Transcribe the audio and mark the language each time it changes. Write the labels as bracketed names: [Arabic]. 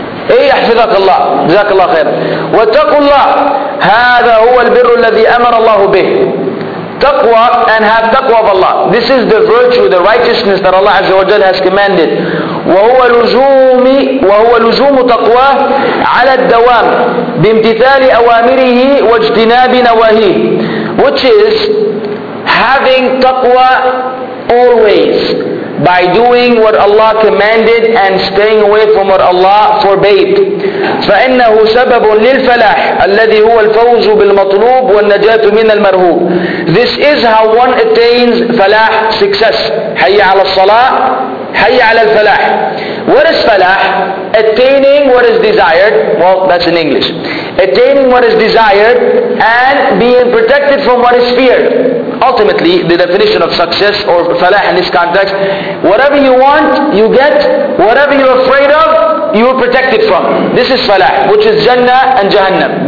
[Arabic] إيه أحفظك الله، جزاك الله خير. واتقوا الله، هذا هو البر الذي أمر الله به. [English] taqwa and have taqwa of Allah. This is the virtue, the righteousness that Allah Azza wa Jalla has commanded. [Arabic] وهو لزوم تقواه على الدوام بامتثال أوامره واجتناب نواهيه. [English] Which is having taqwa always by doing what Allah commanded and staying away from what Allah forbade. [Arabic] فإنه سبب للفلاح الذي هو الفوز بالمطلوب والنجاة من المرهوب. [English] This is how one attains فلاح, success. [Arabic] حي على الصلاة, حي على الفلاح. [English] What is فلاح? Attaining what is desired. Well, that's in English. Attaining what is desired and being protected from what is feared. Ultimately, the definition of success or falah in this context, whatever you want, you get. Whatever you're afraid of, you are protected from. This is falah, which is Jannah and Jahannam.